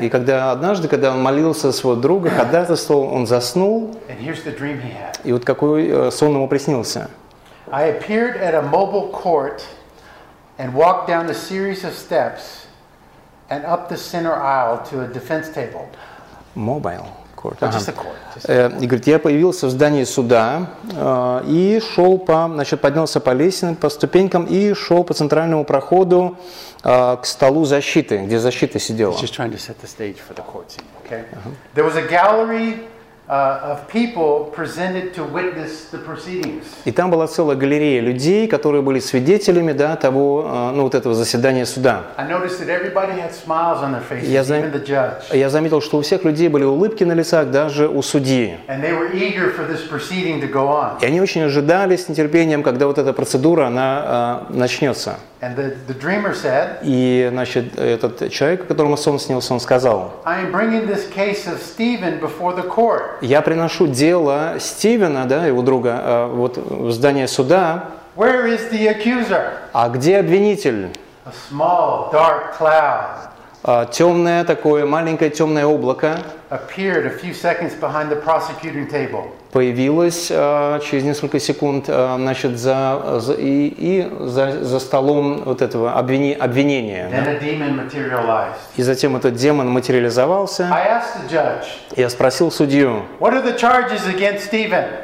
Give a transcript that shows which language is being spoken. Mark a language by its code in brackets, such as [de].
[ru] И когда однажды, когда он молился за своего друга, ходатайствовал, он заснул. [en] And here's the dream he had. [ru] И вот какой сон ему приснился. [en] I appeared at a mobile court and walked down a series of steps and up the center aisle to a defense table. Mobile court. Ага. Just a court. [ru] И говорит, я появился в здании суда и шел поднялся по лестнице, по ступенькам и шел по центральному проходу к столу защиты, где защита сидела. [en] He's just trying to set the stage for the court scene, okay? Uh-huh. There was a gallery of people presented to witness the proceedings. [ru] И там была целая галерея людей, которые были свидетелями, да, того, ну, вот этого заседания суда. [en] I noticed that everybody had smiles on their faces, even the judge. [ru] Я заметил, что у всех людей были улыбки на лицах, даже у судьи. [en] And they were eager for this proceeding to go on. [ru] И они очень ожидали с нетерпением, когда вот эта процедура, она начнется. [en] And the dreamer said. [ru] И, значит, этот человек, которому сон снился, он сказал. [en] I am bringing this case of Stephen before the court. [ru] Я приношу дело Стивена, да, его друга, вот в здание суда. [en] Where is the accuser? [ru] А где обвинитель? [en] A small dark cloud. [ru] Темное такое, маленькое темное облако. [en] Appeared a few seconds behind the prosecuting table. [ru] Появилось через несколько секунд, значит, за столом вот этого обвинения. [en] Then a demon materialized. [ru] И затем этот демон материализовался. [en] I asked the judge. [ru] Я спросил судью. [en] What are the charges against Stephen?